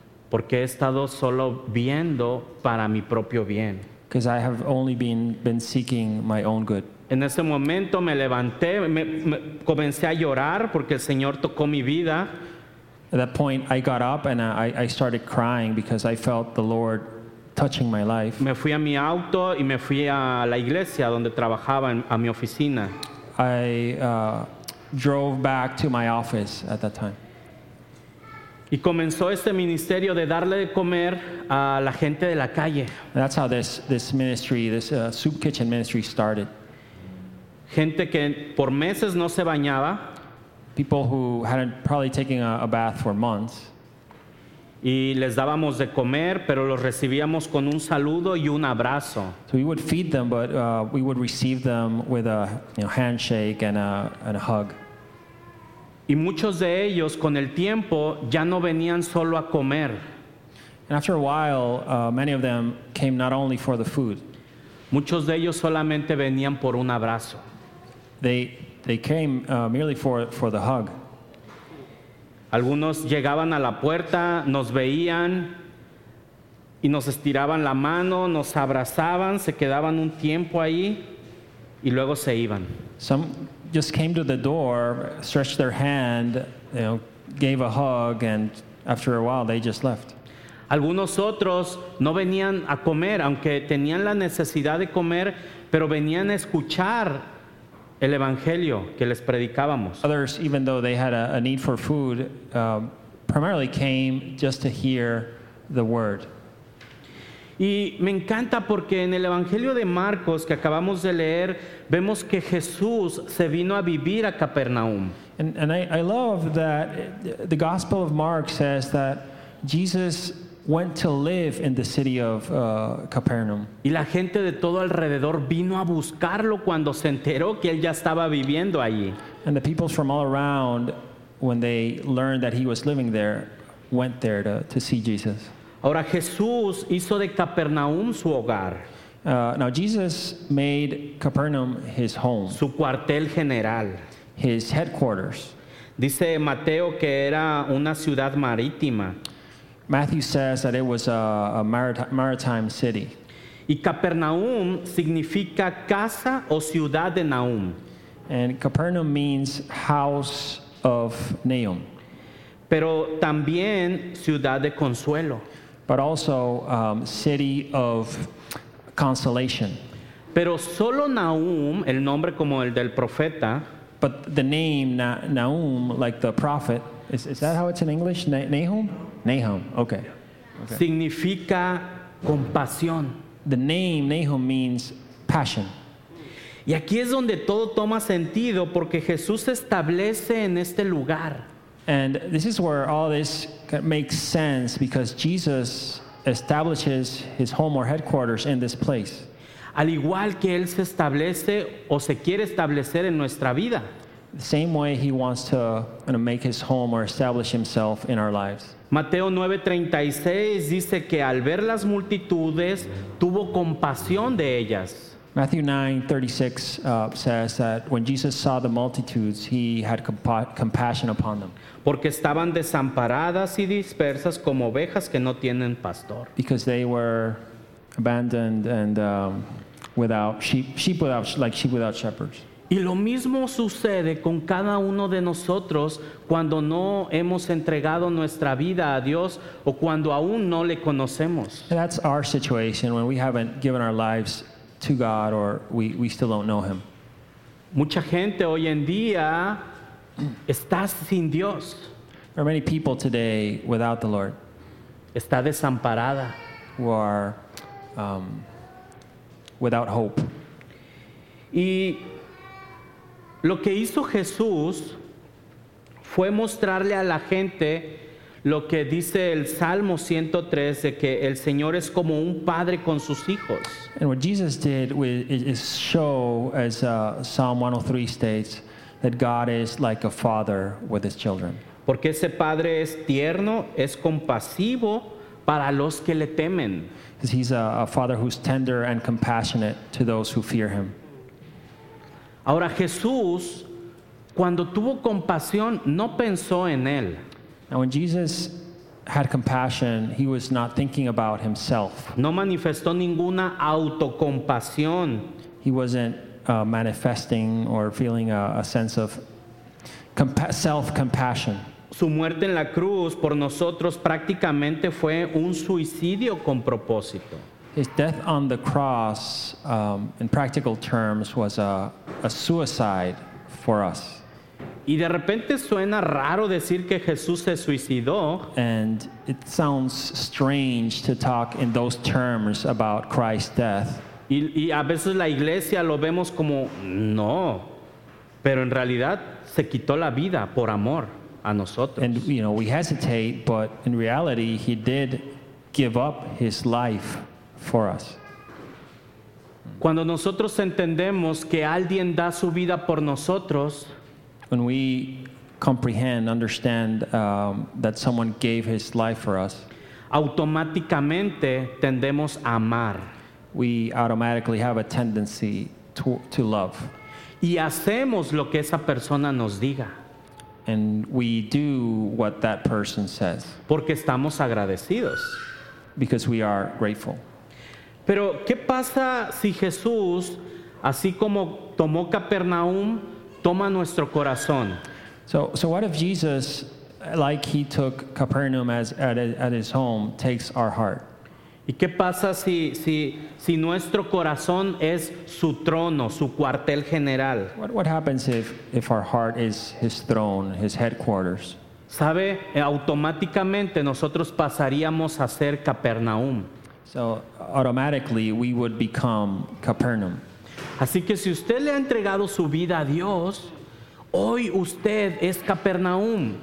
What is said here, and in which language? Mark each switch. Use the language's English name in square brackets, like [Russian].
[Spanish] Porque he estado solo viendo para mi propio bien. [English] Because I have only been seeking my own good. [Spanish] En ese momento me levanté, me comencé a llorar porque el Señor tocó mi vida. [English] At that point, I got up and I started crying because I felt the Lord touching my life. [Spanish] Me fui a mi auto y me fui a la iglesia donde trabajaba, a mi oficina. [English] I drove back to my office at that time. [Spanish] Y comenzó este ministerio de darle de comer a la gente de la calle. [English] And that's how this ministry, this soup kitchen ministry started. [Spanish] Gente que por meses no se bañaba. [English] People who hadn't probably taken a bath for months. [Spanish] Y les dábamos de comer, pero los recibíamos con un saludo y un abrazo. [English] So we would feed them, but we would receive them with a handshake and a hug. [Spanish] Y muchos de ellos, con el tiempo, ya no venían solo a comer. [English] And after a while, many of them came not only for the food. [Spanish] Muchos de ellos solamente venían por un abrazo. [English] They came merely for the hug. [Spanish] Algunos llegaban a la puerta, nos veían y nos estiraban la mano, nos abrazaban, se quedaban un tiempo ahí y luego se iban. [English] Some just came to the door, stretched their hand, gave a hug, and after a while they just left. [Spanish] Algunos otros no venían a comer, aunque tenían la necesidad de comer, pero venían a escuchar el evangelio que les predicábamos. [English] Others, even though they had a need for food, primarily came just to hear the word. [Spanish] Y me encanta porque en el Evangelio de Marcos que acabamos de leer vemos que Jesús se vino a vivir a Capernaum. [English] And I love that the Gospel of Mark says that Jesus went to live in the city of Capernaum. [Spanish] Y la gente de todo alrededor vino a buscarlo cuando se enteró que él ya estaba viviendo allí. [English] And the people from all around, when they learned that he was living there, went there to see Jesus. [Spanish] Ahora Jesús hizo de Capernaum su hogar. [English] Now Jesus made Capernaum his home. [Spanish] Su cuartel general. [English] His headquarters. [Spanish] Dice Mateo que era una ciudad marítima. [English] Matthew says that it was a maritime city. [Spanish] Y Capernaum significa casa o ciudad de Naum. [English] And Capernaum means house of Naum. [Spanish] Pero también ciudad de consuelo. [English] But also city of consolation. [Spanish] Pero solo Naum, el nombre como el del profeta. [English] But the name Naum, like the prophet, is that how it's in English? Nahum? Nahum, okay. [Spanish] Significa compasión. [English] The name Nahum means passion. [Spanish] Y aquí es donde todo toma sentido porque Jesús establece en este lugar. [English] And this is where all this makes sense because Jesus establishes his home or headquarters in this place. [Spanish] Al igual que él se establece o se quiere establecer en nuestra vida. [English] The same way he wants to make his home or establish himself in our lives. [Spanish] Mateo 9:36 dice que al ver las multitudes tuvo compasión de ellas. [English] Matthew 9:36 says that when Jesus saw the multitudes, he had compassion upon them. [Spanish] Porque estaban desamparadas y dispersas como ovejas que no tienen pastor. [English] Because they were abandoned and without sheep without like sheep without shepherds. [Spanish] Y lo mismo sucede con cada uno de nosotros cuando no hemos entregado nuestra vida a Dios o cuando aún no le conocemos. [English] And that's our situation when we haven't given our lives to God or we still don't know him. [Spanish] Mucha gente hoy en día está sin Dios. [English] There are many people today without the Lord. [Spanish] Está desamparada. [English] Who are without hope. [Spanish] Y lo que hizo Jesús fue mostrarle a la gente lo que dice el Salmo 103 de que el Señor es como un padre con sus hijos. [English] And what Jesus did is show, as Psalm 103 states, that God is like a father with his children. [Spanish] Porque ese padre es tierno, es compasivo para los que le temen. [English] Because he's a father who's tender and compassionate to those who fear him. [Spanish] Ahora Jesús, cuando tuvo compasión, no pensó en él. [English] Now when Jesus had compassion, he was not thinking about himself. [Spanish] No manifestó ninguna autocompasión. [English] He wasn't manifesting or feeling a sense of self-compassion. [Spanish] Su muerte en la cruz por nosotros prácticamente fue un suicidio con propósito. [English] His death on the cross, in practical terms, was a suicide for us. [Spanish] Y de repente suena raro decir que Jesús se suicidó. [English] And it sounds strange to talk in those terms about Christ's death. [Spanish] Y a veces la iglesia lo vemos como, no, pero en realidad se quitó la vida por amor a nosotros. [English] And we hesitate, but in reality he did give up his life for us. [Spanish] Cuando nosotros entendemos que alguien da su vida por nosotros, [English] when we comprehend, understand that someone gave his life for us, [Spanish] automáticamente tendemos a amar. [English] We automatically have a tendency to love. [Spanish] Y hacemos lo que esa persona nos diga. [English] And we do what that person says. [Spanish] Porque estamos agradecidos. [English] Because we are grateful. [Spanish] Pero ¿qué pasa si Jesús, así como tomó Capernaum, toma nuestro corazón? [English] So what if Jesus, like he took Capernaum at his home, takes our heart? [Spanish] ¿Y qué pasa si nuestro corazón es su trono, su cuartel general? [English] What happens if our heart is his throne, his headquarters? [Spanish] Sabe, automáticamente nosotros pasaríamos a ser Capernaum. [English] So automatically we would become Capernaum. [Spanish] Así que si usted le ha entregado su vida a Dios, hoy usted es Capernaum.